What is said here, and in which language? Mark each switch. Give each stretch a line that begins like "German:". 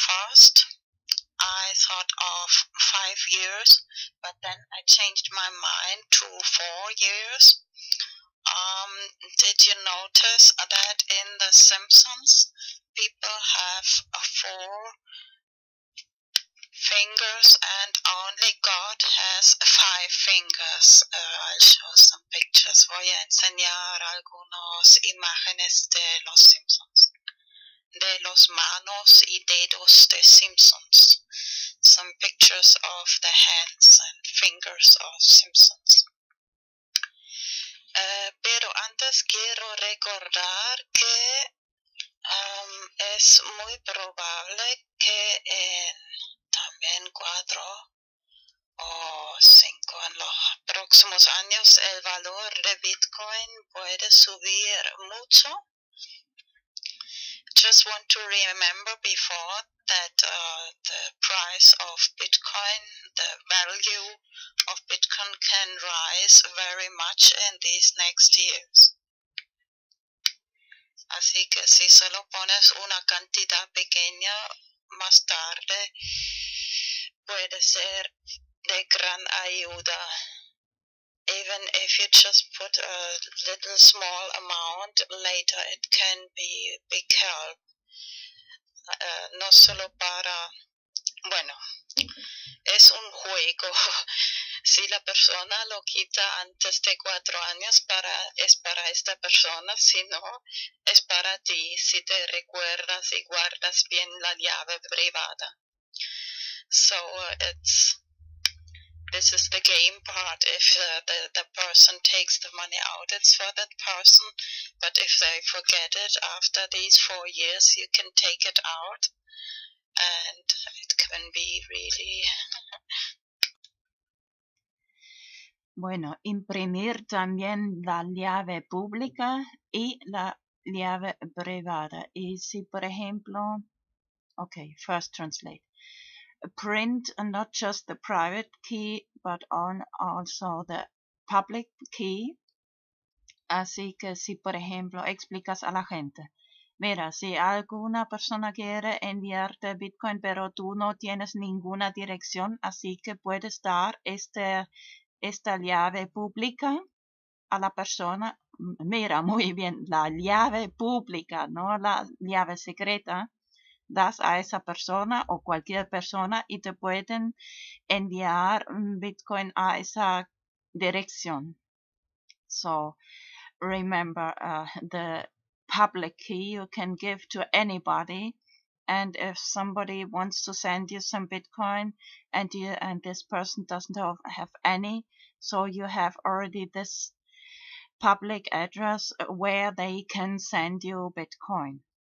English: First, I thought of 5 years, but then I changed my mind to 4 years. Did you notice that in The Simpsons, people have 4 fingers and only God has 5 fingers. I'll show some pictures.
Spanish: Voy a enseñar algunas imágenes de los Simpsons. De los manos y dedos de Simpsons.
English: Some pictures of the hands and fingers of Simpsons.
Spanish: Pero antes les quiero recordar que es muy probable que en también 4 o 5 en los próximos años el valor de Bitcoin puede subir mucho.
English: Just want to remember before that the price of Bitcoin, the value of Bitcoin can rise very much in these next years.
Spanish: Así que si solo pones una cantidad pequeña más tarde, puede ser de gran ayuda. Even if you just put a little small amount, later it can be big help. No solo para... Bueno, es un juego. Si la persona lo quita antes de 4 años, es para esta persona. Si no, es para ti, si te recuerdas y guardas bien la llave privada.
English: So, it's... This is the game part. If the person takes the money out, it's for that person. But if they forget it after these 4 years, you can take it out. And it can be really...
Spanish: Bueno, imprimir también la llave pública y la llave privada. Y si, por ejemplo...
English: Okay, first translate. Print not just the private key, but on also the public key.
Spanish: Así que si, por ejemplo, explicas a la gente. Mira, si alguna persona quiere enviarte Bitcoin, pero tú no tienes ninguna dirección, así que puedes dar esta llave pública a la persona. Mira, muy bien, la llave pública, no la llave secreta. Das a esa persona o cualquier persona y te pueden enviar Bitcoin a esa dirección.
English: So, remember, the public key you can give to anybody. And if somebody wants to send you some Bitcoin and this person doesn't have any, so you have already this public address where they can send you Bitcoin.